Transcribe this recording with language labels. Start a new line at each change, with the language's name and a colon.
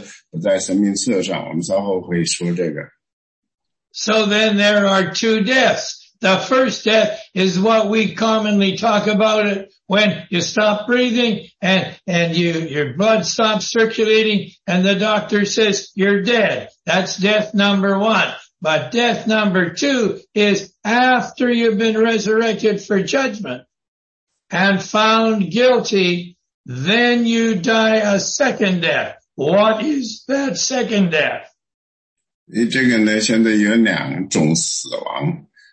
Chinese: 所有的那些反叛的被溺死的那些人，他们不管是以什么形式死，那么死了埋葬了，或者在海里淹死，或者是被火烧死了，他们都要身体被带回来，带回来和他们在阴间的灵魂结合在一起，结合在一起呢，他们所有的这些人复活以后都要被扔到火湖里去。如果他们的名字不在生命册上，我们稍后会说这个。
English: So then there are two deaths. The first death is what we commonly talk about it. When you stop breathing and your blood stops circulating and the doctor says you're dead. That's death number one. But death number two is after you've been resurrected for judgment and found guilty, then you die a second death. What is that second death?
Chinese: 这个呢，现在有两种死亡。